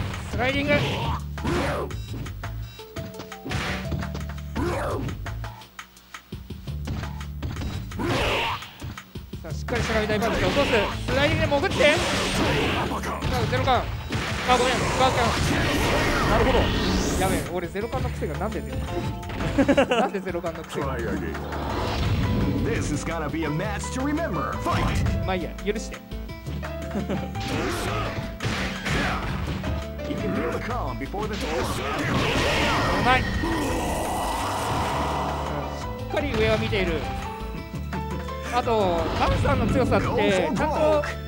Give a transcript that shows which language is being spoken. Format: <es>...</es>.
<ja>スライディング、さあしっかりしゃがみたいパンチで落とす。スライディングで潜って、さあゼロ感、あごめん、バーカン。なるほど、やべえ、俺ゼロ感の癖がなんで出るなんでゼロ感の癖が。</ja> <en>This is gonna be a match to remember.</en> <ja>Fight. まあいいや、許して。うまい、しっかり上は見ている。あとガンさんの強さってちゃんと</ja>